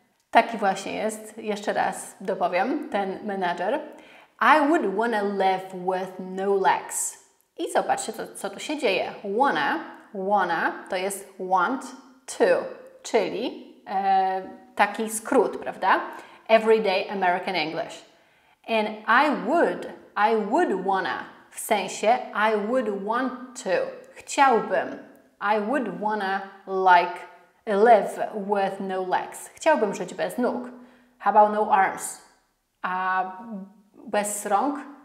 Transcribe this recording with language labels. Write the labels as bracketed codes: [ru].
[pl] Taki właśnie jest, jeszcze raz dopowiem, ten menadżer. [en] I would wanna live with no legs. [pl] I zobaczcie, co tu się dzieje. Wanna to jest want to, czyli taki skrót, prawda? [en] Everyday American English. And I would wanna, [pl] w sensie [en] I would want to, [pl] chciałbym. [en] I would wanna like live with no legs. [pl] Chciałbym żyć bez nóg. [en] How about no arms? [pl] A bez rąk?